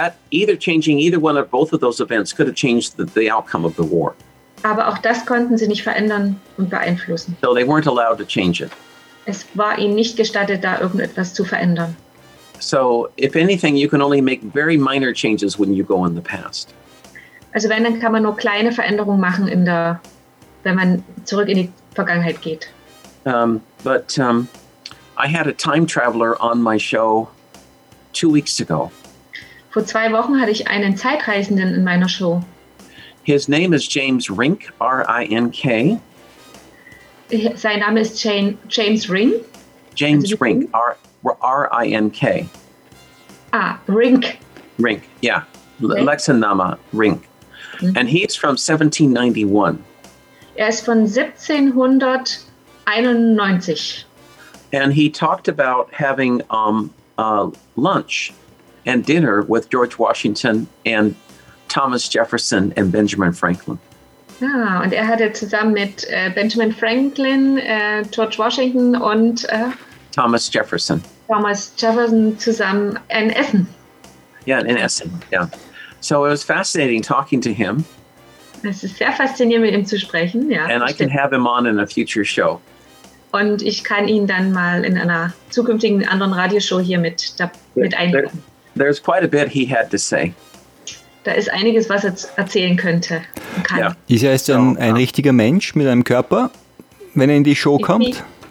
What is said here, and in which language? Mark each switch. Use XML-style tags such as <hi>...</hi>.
<en>Either one or both of those events could have changed the outcome of the war.</en> <de>Aber auch das konnten sie nicht verändern und beeinflussen.</de> <en>So they weren't allowed to change it.</en> <de>Es war ihnen nicht gestattet, da irgendetwas zu verändern.</de> <en>So if anything, you can only make very minor changes when you go in the past.</en> <de>Also wenn, dann kann man nur kleine Veränderungen machen, wenn man zurück in die Vergangenheit geht.</de> <en>I had a time traveler on my show 2 weeks ago.</en> <de>Vor 2 Wochen hatte ich einen Zeitreisenden in meiner Show.</de> <en>His name is James Rink, R-I-N-K.</en> <de>Sein Name ist James Rink.</de> <en>James Rink, R-I-N-K. Ah, Rink. Rink, yeah. Okay. Lexanama Rink. Mm-hmm. And he's from 1791.</en> <de>Er ist von 1791.</de> <en>And he talked about having lunch and dinner with George Washington and Thomas Jefferson and Benjamin Franklin.</en> <de>Ah, und er hatte zusammen mit Benjamin Franklin, George Washington und Thomas Jefferson. Thomas Jefferson zusammen in Essen.</de> <en>Yeah,</en> <de>in Essen.</de> <en>Yeah. So it was fascinating talking to him.</en> <de>Es ist sehr faszinierend, mit ihm zu sprechen. Ja.</de> <en>And I can have him on in a future show.</en> <de>Und ich kann ihn dann mal in einer zukünftigen anderen Radioshow hier mit einbinden.</de> <en>There's quite a bit he had to say.</en> <de>Da ist einiges, was er erzählen könnte. Kann. Ja. Ist er ein richtiger Mensch mit einem Körper, wenn er in die Show kommt?</de>